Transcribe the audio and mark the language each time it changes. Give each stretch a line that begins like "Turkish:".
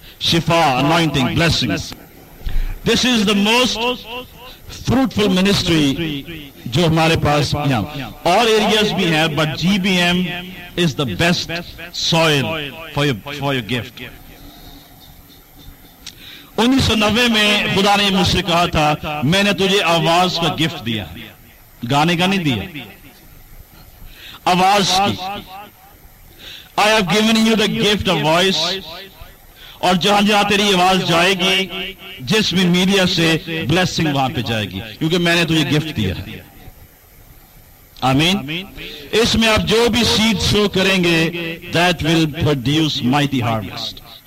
English: شفا, anointing, blessings. This is the most fruitful ministry
Urdu: جو ہمارے پاس یہاں اور ایریاز بھی ہیں,
English: But G B M is the best soil for your gift.
Urdu: 1990 میں خدا نے مجھ سے کہا تھا, میں نے تجھے آواز کا گفٹ دیا, گانے کا نہیں دیا, آواز کی.
English: I have given you the gift of voice.
Urdu: اور جہاں جہاں تیری آواز جائے گی, جس بھی میڈیا سے بلیسنگ وہاں پہ جائے گی, کیونکہ میں نے تجھے گفٹ دیا. آمین. اس میں آپ جو بھی سیڈ سو کریں گے,
English: That will produce mighty harvest.